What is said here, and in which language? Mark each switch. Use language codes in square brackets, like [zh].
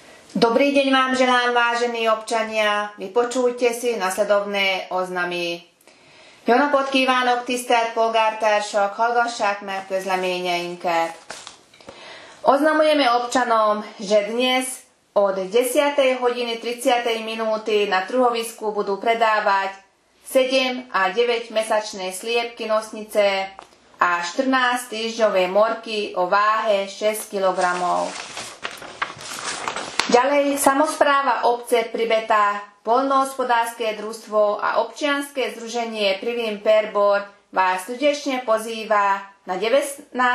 [sk] Dobrý deň vám želám, vážení občania. Vypočujte si nasledovné oznamy. [hu] Jó napot kívánok, tisztelt polgártársak, hallgassák meg közleményeinket. [sk] Oznamujeme občanom, že dnes od 10. hodiny 30. minúty na truhovisku budú predávať 7 a 9 mesačné sliepky nosnice a 14 týždňové morky o váhe 6 kg. Ďalej samospráva obce Pribeta, poľnohospodárske družstvo a občianske združenie Privín Perbor vás srdečne pozýva na 19.